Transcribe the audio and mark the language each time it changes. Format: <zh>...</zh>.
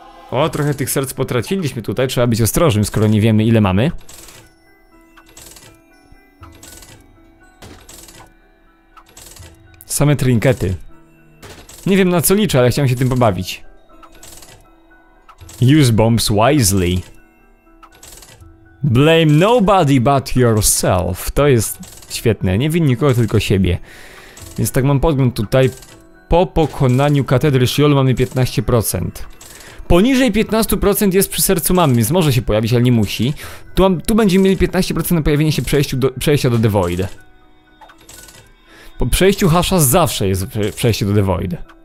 <pl>O, trochę tych serc potraciliśmy tutaj, trzeba być ostrożnym, skoro nie wiemy ile mamy. Same trinkety. Nie wiem na co liczę, ale chciałem się tym pobawić.</pl> <en>Use bombs wisely. Blame nobody but yourself.</en> <pl>To jest świetne, nie win nikogo tylko siebie. Więc tak mam podgląd tutaj. Po pokonaniu katedry Shiol mamy 15%. Poniżej 15% jest przy sercu mamy, więc może się pojawić, ale nie musi. Tu będziemy mieli 15% na pojawienie się przejścia do The Void. Po przejściu hasza zawsze jest przejście do The Void.</pl>